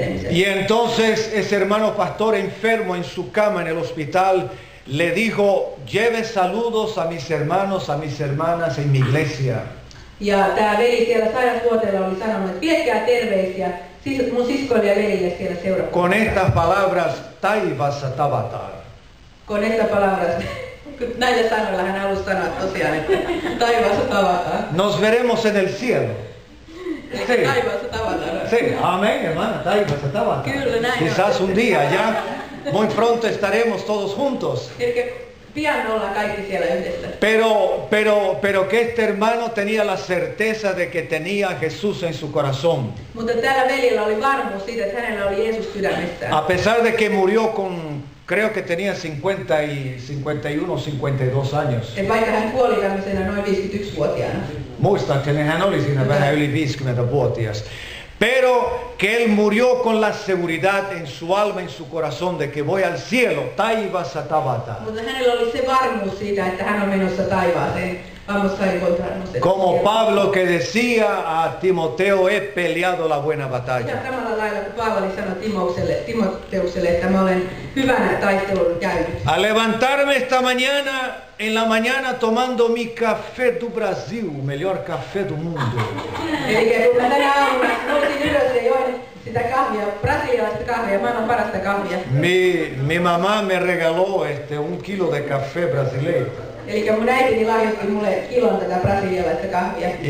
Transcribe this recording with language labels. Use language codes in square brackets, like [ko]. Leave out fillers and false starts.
[es] Y entonces ese hermano pastor enfermo en su cama en el hospital le dijo: lleve saludos a mis hermanos, a mis hermanas en mi iglesia. [fi] Y tämä veli siellä sairasvuoteella oli sanonut, viekää terveisiä mun siskoille ja veljille siellä seurakunnassa. [es] Con estas palabras, [fi] taivassa tavataan. [es] Con estas palabras, [fi] näillä sanoilla hän halusi sanoa tosiaan, että taivassa tavataan. [es] Nos veremos en el cielo. [fi] Sí. Taivassa tavataan. [es] Sí, amén, hermana, [fi] taivassa tavataan. Kyllä, näin. [es] Quizás un día ya, muy pronto estaremos todos juntos. [fi] Pian ollaan kaikki siellä yhdessä. [es] Pero que este hermano tenía la certeza de que tenía Jesús en su corazón. [fi] Mutta tällä veljellä oli varmuus siitä, että hänellä oli Jeesus sydämessä. [es] A pesar de que murió con, creo que tenía 51 o 52 años. [fi] En vaikka hän kuoli tämmöisenä noin 51-vuotiaana. Muistaakseni hän oli siinä vähän yli 50-vuotias. [es] Pero que él murió con la seguridad en su alma, en su corazón, de que voy al cielo, [fi] taivassa tavataan. Mutta hänellä oli se varmuus siitä, että hän on menossa taivaaseen. [es] Vamos a encontrarnos. Como Pablo que decía a Timoteo, he peleado la buena batalla. [fi] Ja samalla lailla kuin Paavali sanoi Timoteukselle, että mä olen hyvänä taistelun käynyt. [es] A levantarme esta mañana, en la mañana tomando mi café du Brasil, mejor café del mundo. [fi] Eli que kun mä tänä aamuna nousin ylös ja join sitä kahvia, brasilialaista kahvia, maailman parasta kahvia. [es] Mi mamá me regaló un kilo de café brasileiro. [fi] Eli que mun äitini lahjoitti mulle kilon tätä brasilialaista kahvia.